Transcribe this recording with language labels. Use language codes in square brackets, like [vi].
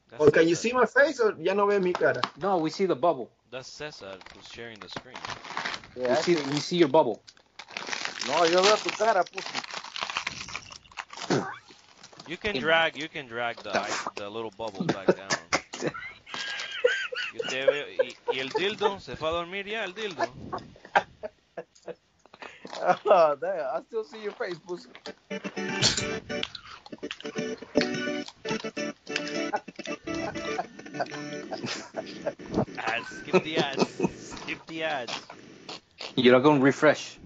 [en] Or can you see my face or [es] ya no ve mi cara? [en] No, we see the bubble. That's César who's sharing the screen. Yeah, you see your bubble. [es] No, yo veo tu cara, pussy. [en] You can drag the little bubble back down. [es] Y usted ve, y el dildo, se fue a dormir ya, el dildo. [en] Oh, damn, I still see your face, pussy. Ads, skip the ads. You're not going to refresh.